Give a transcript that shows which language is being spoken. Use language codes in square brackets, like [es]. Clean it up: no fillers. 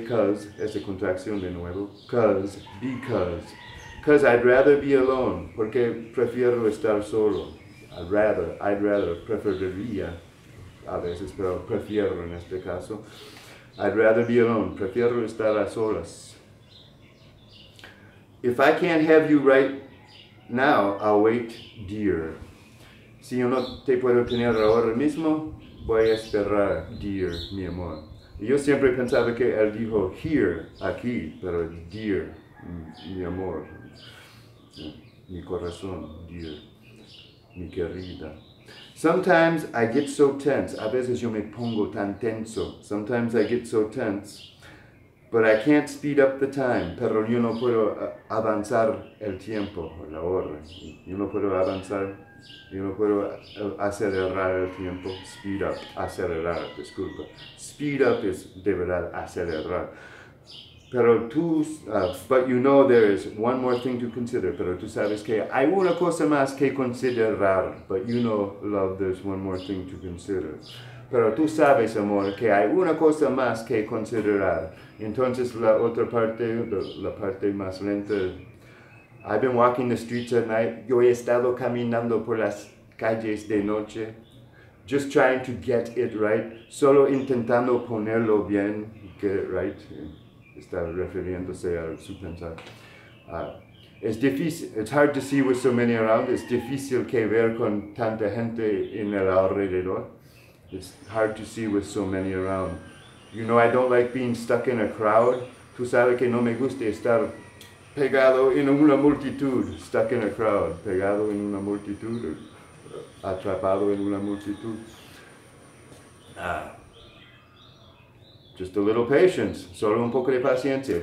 [en] Because, [es] esa contracción de nuevo, [en] because I'd rather be alone. [es] Porque prefiero estar solo. [en] I'd rather, [es] preferiría, a veces, pero prefiero en este caso. [en] I'd rather be alone, [es] prefiero estar a solas. [en] If I can't have you right now, I'll wait, dear. [es] Si yo no te puedo tener ahora mismo, voy a esperar, dear, mi amor. Yo siempre pensaba que él dijo here, aquí, pero dear, mi amor, mi corazón, dear. Mi querida. [en] Sometimes I get so tense. [es] A veces yo me pongo tan tenso. [en] Sometimes I get so tense. But I can't speed up the time. [es] Pero yo no puedo avanzar el tiempo, la hora. Yo no puedo avanzar. Yo no puedo acelerar el tiempo. Speed up. Acelerar, disculpa. Speed up es de verdad acelerar. Pero tú, [en] but you know there is one more thing to consider. [es] Pero tú sabes que hay una cosa más que considerar. [en] But you know, love, there's one more thing to consider. [es] Pero tú sabes, amor, que hay una cosa más que considerar. Entonces la otra parte, la parte más lenta, [en] I've been walking the streets at night. [es] Yo he estado caminando por las calles de noche. [en] Just trying to get it right. [es] Solo intentando ponerlo bien. [en] Get it right. [es] Está refiriéndose a su pensar. Es difícil, [en] it's hard to see with so many around. [es] Es difícil que ver con tanta gente en el alrededor. [en] It's hard to see with so many around. You know, I don't like being stuck in a crowd. [es] Tú sabes que no me gusta estar pegado en una multitud. [en] Stuck in a crowd. [es] Pegado en una multitud. Or atrapado en una multitud. [en] Just a little patience. [es] Solo un poco de paciencia.